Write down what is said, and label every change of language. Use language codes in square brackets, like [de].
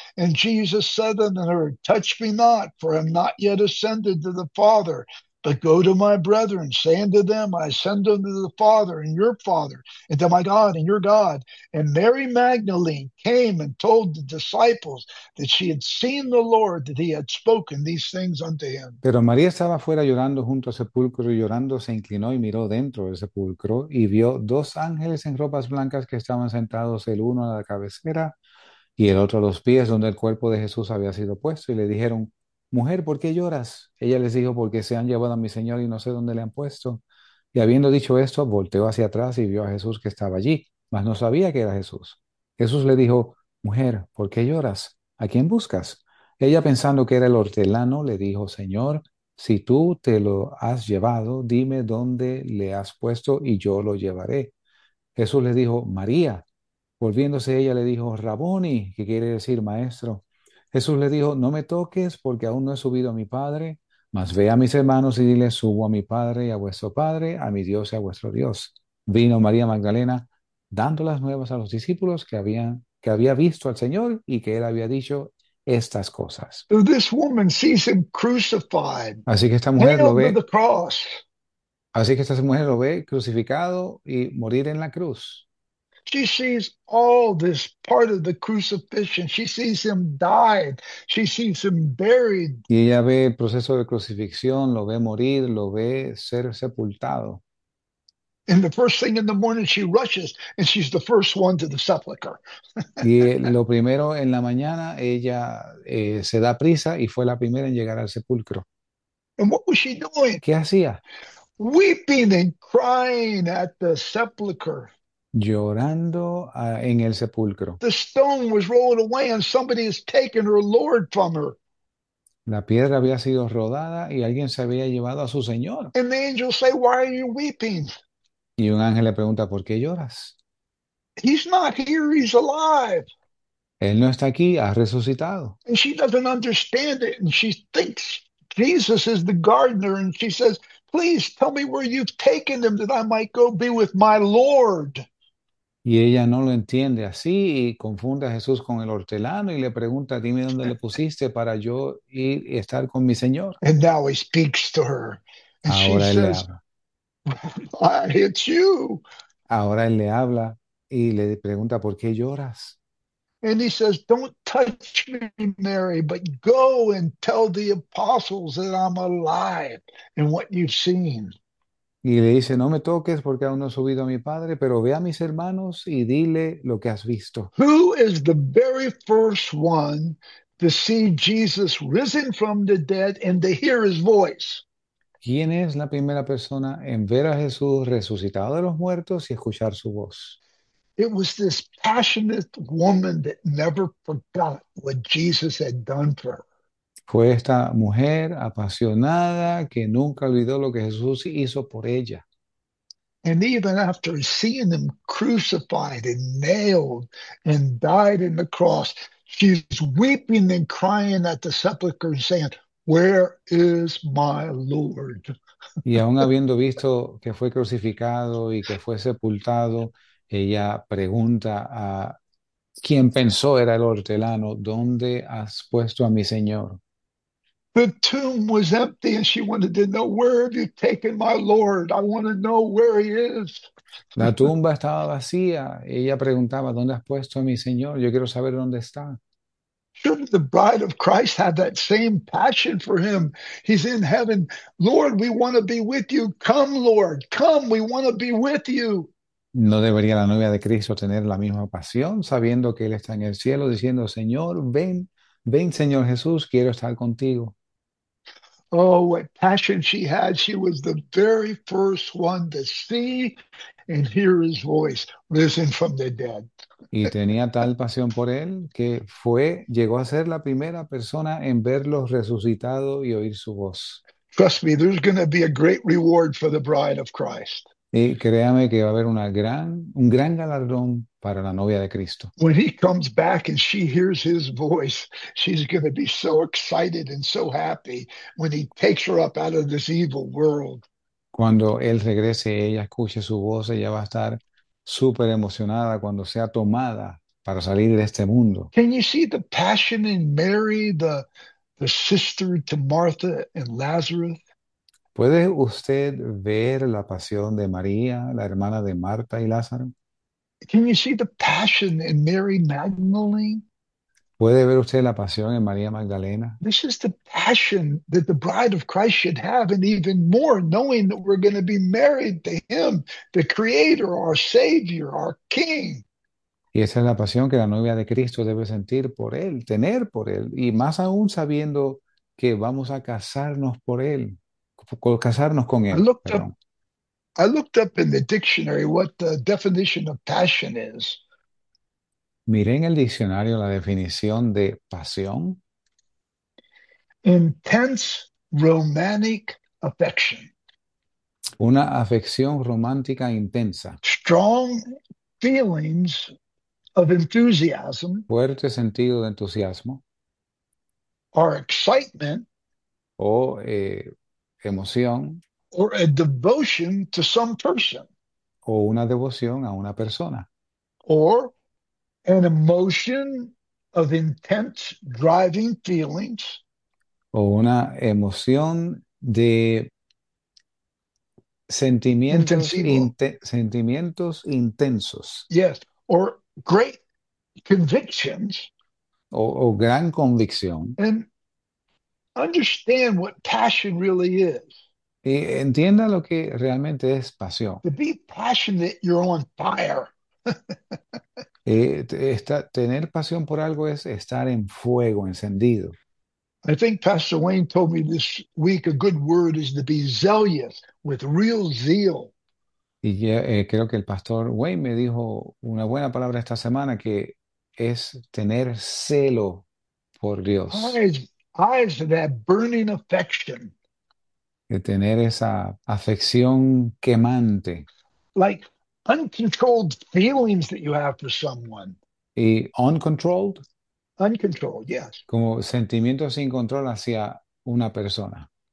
[en] And Jesus said unto her, Touch me not, for I am not yet ascended to the Father. But go to my brethren, say unto them, I ascend unto the Father and your Father, and to my God and your God. And Mary Magdalene came and told the disciples that she had seen the Lord, that he had spoken these things unto him. [es] Pero María estaba fuera llorando junto al sepulcro y llorando se inclinó y miró dentro del sepulcro y vio dos ángeles en ropas blancas que estaban sentados el uno a la cabecera y el otro a los pies donde el cuerpo de Jesús había sido puesto y le dijeron, Mujer, ¿por qué lloras? Ella les dijo, porque se han llevado a mi Señor y no sé dónde le han puesto. Y habiendo dicho esto, volteó hacia atrás y vio a Jesús que estaba allí, mas no sabía que era Jesús. Jesús le dijo, Mujer, ¿por qué lloras? ¿A quién buscas? Ella, pensando que era el hortelano, le dijo, Señor, si tú te lo has llevado, dime dónde le has puesto y yo lo llevaré. Jesús le dijo, María. Volviéndose ella, le dijo, Rabboni, que quiere decir maestro. Jesús le dijo, no me toques porque aún no he subido a mi Padre, mas ve a mis hermanos y dile, subo a mi Padre y a vuestro Padre, a mi Dios y a vuestro Dios. Vino María Magdalena dando las nuevas a los discípulos que había visto al Señor y que él había dicho estas cosas. [en] So this woman sees him crucified, [es] Así que esta mujer lo [en] nailed to the cross. [es] Así que esta mujer lo ve crucificado y morir en la cruz. [en] She sees all this part of the crucifixion. She sees him died. She sees him buried. [es] Y ella ve el proceso de crucifixión, lo ve morir, lo ve ser sepultado. [en] And the first thing in the morning, she rushes, and she's the first one to the sepulcher. [es] Y lo primero en la mañana, ella se da prisa y fue la primera en llegar al sepulcro. [en] And what was she doing? [es] ¿Qué hacía? [en] Weeping and crying at the sepulchre. [es] llorando en el sepulcro. [en] The stone was rolled away and somebody has taken her Lord from her. [es] La piedra había sido rodada y alguien se había llevado a su señor. [en] And the angels say, "Why are you weeping?" [es] Y un ángel le pregunta, ¿por qué lloras? [en] He's not here, he's alive. [es] Él no está aquí, ha resucitado. [en] And she doesn't understand it, and she thinks Jesus is the gardener, and she says, "Please tell me where you've taken them that I might go be with my Lord." [es] Y ella no lo entiende así y confunde a Jesús con el hortelano y le pregunta, dime dónde le pusiste para yo ir y estar con mi Señor. [en] And now he speaks to her, and she [es] Ahora él le [en] says, [es] habla. [en] "Why, it's you." [es] Ahora él le habla y le pregunta, ¿por qué lloras? [en] And he says, "Don't touch me, Mary, but go and tell the apostles that I'm alive and what you've seen." [es] Y le dice, no me toques porque aún no he subido a mi padre, pero ve a mis hermanos y dile lo que has visto. [en] Who is the very first one to see Jesus risen from the dead and to hear his voice? [es] ¿Quién es la primera persona en ver a Jesús resucitado de los muertos y escuchar su voz? [en] It was this passionate woman that never forgot what Jesus had done for her. [es] Fue esta mujer apasionada que nunca olvidó lo que Jesús hizo por ella. [en] And even after seeing him crucified and nailed and died in the cross, she's weeping and crying at the sepulchre and saying, "Where is my Lord?" [es] Y aun habiendo visto que fue crucificado y que fue sepultado, ella pregunta a quien pensó era el hortelano, ¿dónde has puesto a mi Señor? [en] The tomb was empty, and she wanted to know, "Where have you taken my Lord? I want to know where he is." [es] La tumba estaba vacía. Ella preguntaba, ¿dónde has puesto a mi Señor? Yo quiero saber dónde está. [en] Shouldn't the bride of Christ have that same passion for him? He's in heaven. "Lord, we want to be with you. Come, Lord, come, we want to be with you." [es] ¿No debería la novia de Cristo tener la misma pasión, sabiendo que Él está en el cielo, diciendo, Señor, ven, ven, Señor Jesús, quiero estar contigo? [en] Oh, what passion she had. She was the very first one to see and hear his voice risen from the dead. [es] Y tenía tal pasión por él que llegó a ser la primera persona en verlo resucitado y oír su voz. [en] Trust me, there's going to be a great reward for the bride of Christ. [es] Y créame que va a haber un gran galardón para la novia de Cristo. [en] When he comes back and she hears his voice, she's going to be so excited and so happy when he takes her up out of this evil world. [es] Cuando él regrese, ella escuche su voz, ella va a estar súper emocionada cuando sea tomada para salir de este mundo. [en] Can you see the passion in Mary, the sister to Martha and Lazarus? [es] ¿Puede usted ver la pasión de María, la hermana de Marta y Lázaro? [en] Can you see the passion in Mary Magdalene? [es] ¿Puede ver usted la pasión en María Magdalena? [en] This is the passion that the bride of Christ should have, and even more, knowing that we're going to be married to him, the Creator, our Savior, our King. [es] Y esa es la pasión que la novia de Cristo debe sentir por él, tener por él, y más aún sabiendo que vamos a casarnos por él, casarnos con él, perdón. [en] I looked up in the dictionary what the definition of passion is. [es] Miré en el diccionario la definición de pasión. [en] Intense romantic affection. [es] Una afección romántica intensa. [en] Strong feelings of enthusiasm [es] Fuerte sentido de entusiasmo [en] or excitement. [es] o emoción [en] Or a devotion to some person. [es] o una devoción a una persona. [en] Or an emotion of intense driving feelings. [es] O una emoción de Intensivo. sentimientos intensos. [en] Yes. Or great convictions. [es] O gran convicción. [en] And understand what passion really is. [es] Y entienda lo que realmente es pasión. [en] To be passionate, you're on fire. [es] Tener pasión por algo es estar en fuego, encendido. [en] I think Pastor Wayne told me this week a good word is to be zealous with real zeal. [es] Y ya, creo que el pastor Wayne me dijo una buena palabra esta semana, que es tener celo por Dios. [en] Eyes of that burning affection. [es] De tener esa afección quemante. [en] Like uncontrolled feelings that you have for someone. [es] Y uncontrolled, [en] Uncontrolled, yes. [es] como sentimientos sin control hacia una persona.